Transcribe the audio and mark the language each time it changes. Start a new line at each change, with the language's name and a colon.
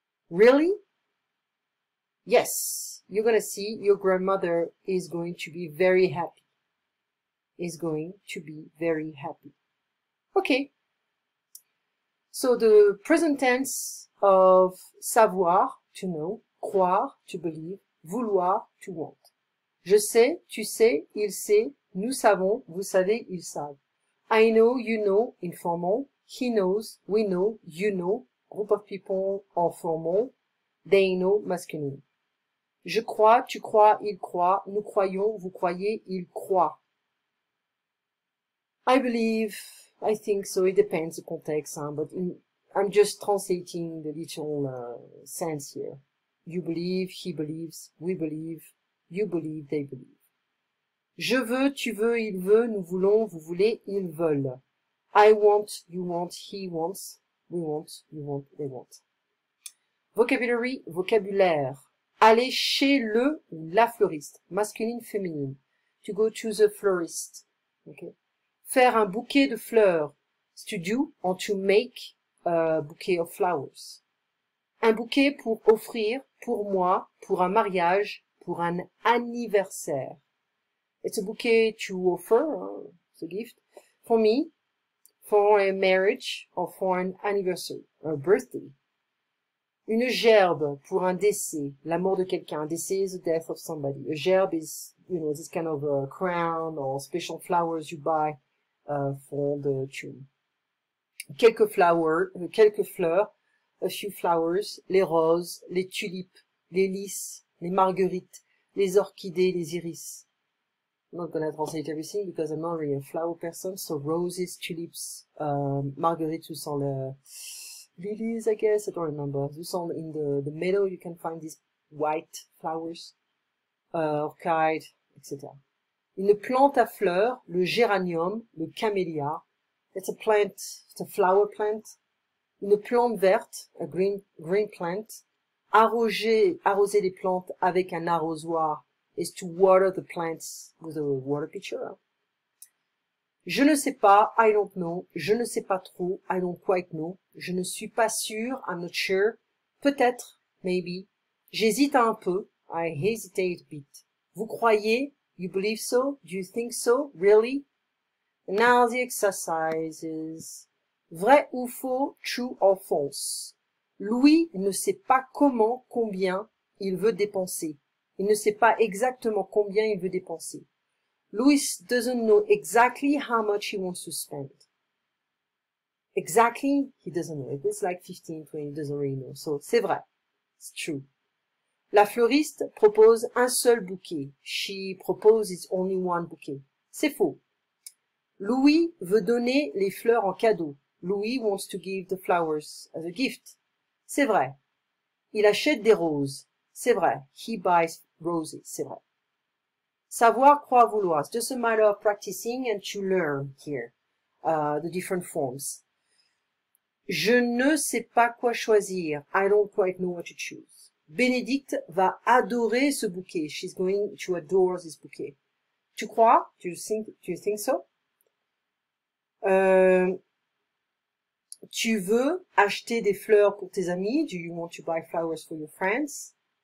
English: Really? Yes, you're gonna see your grandmother is going to be very happy. Is going to be very happy. Okay. So the present tense of savoir, to know, croire, to believe, vouloir, to want.
French: Je sais, tu sais, il sait, nous savons, vous savez, ils savent.
English: I know, you know, informal. He knows, we know, you know, group of people, informal. They know, masculine.
French: Je crois, tu crois, il croit, nous croyons, vous croyez, il croit.
English: I believe... I think so, it depends the context, hein, but I'm just translating the literal sense here. You believe, he believes, we believe, you believe, they believe.
French: Je veux, tu veux, il veut, nous voulons, vous voulez, ils veulent.
English: I want, you want, he wants, we want, you want, they want. Vocabulary, vocabulaire.
French: Aller chez le ou la fleuriste, masculine, féminine.
English: To go to the florist, okay?
French: Faire un bouquet de fleurs, c'est
English: to do and to make a bouquet of flowers.
French: Un bouquet pour offrir, pour moi, pour un mariage, pour un anniversaire.
English: It's a bouquet to offer, it's a gift, for me, for a marriage or for an anniversary, a birthday.
French: Une gerbe pour un décès, la mort de quelqu'un.
English: Décès is the death of somebody. A gerbe is, you know, this kind of a crown or special flowers you buy. Fond de tune.
French: Quelques fleurs,
English: a few flowers,
French: les roses, les tulipes, les lys, les marguerites, les orchidées, les iris.
English: not going to translate everything because I'm not really a flower person. So roses, tulips, marguerite, you saw the lilies, I guess. I don't remember. You saw in the meadow, you can find these white flowers, orchid, etc.
French: Une plante à fleurs, le géranium, le camélia.
English: It's a plant, it's a flower plant.
French: Une plante verte,
English: a green plant.
French: Arroser les plantes avec un arrosoir
English: is to water the plants with a water pitcher.
French: Je ne sais pas,
English: I don't know.
French: Je ne sais pas trop,
English: I don't quite know.
French: Je ne suis pas sûr,
English: I'm not sure.
French: Peut-être,
English: maybe.
French: J'hésite un peu,
English: I hesitate a bit.
French: Vous croyez?
English: You believe so? Do you think so? Really? Now the exercises.
French: Vrai ou faux?
English: True or false?
French: Louis ne sait pas comment, combien il veut dépenser. Il ne sait pas exactement combien il veut dépenser.
English: Louis doesn't know exactly how much he wants to spend. Exactly, he doesn't know. It's like 15, 20, he doesn't really know. So,
French: c'est vrai.
English: It's true.
French: La fleuriste propose un seul bouquet.
English: She proposes only one bouquet.
French: C'est faux. Louis veut donner les fleurs en cadeau.
English: Louis wants to give the flowers as a gift.
French: C'est vrai. Il achète des roses. C'est vrai.
English: He buys roses.
French: C'est vrai. Savoir, croire, vouloir.
English: It's just a matter of practicing and to learn here the different forms.
French: Je ne sais pas quoi choisir.
English: I don't quite know what to choose.
French: Bénédicte va adorer ce bouquet.
English: She's going to adore this bouquet.
French: Tu crois?
English: Do you think so?
French: Tu veux acheter des fleurs pour tes amis?
English: Do you want to buy flowers for your friends?